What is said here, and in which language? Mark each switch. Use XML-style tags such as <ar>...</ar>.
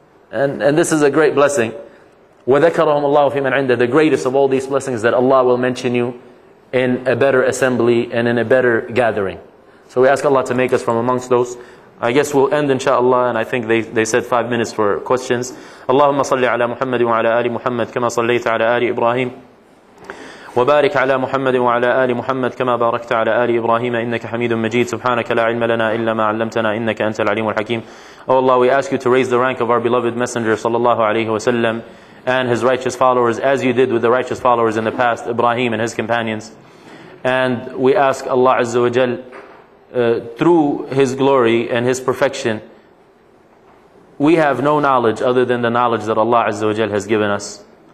<en>And this is a great blessing.</en> <ar>وذكرهم الله في من عنده,</ar> <en>the greatest of all these blessings that Allah will mention you in a better assembly and in a better gathering. So we ask Allah to make us from amongst those. I guess we'll end inshallah, and I think they said 5 minutes for questions.</en> <ar>اللهم صل على محمد وعلى آل محمد كما صليت على آل إبراهيم وبارك على محمد وعلى آل محمد كما باركت على آل إبراهيم إنك حميد مجيد سبحانك لا علم لنا إلا ما علمتنا إنك أنت العليم الحكيم.</ar> <en>Oh Allah, we ask you to raise the rank of our beloved messenger</en> <ar>صلى الله عليه وسلم</ar> <en>and his righteous followers as you did with the righteous followers in the past, Ibrahim and his companions. And we ask Allah Azza wa Jal, through his glory and his perfection, we have no knowledge other than the knowledge that Allah Azza wa Jal has given us.</en>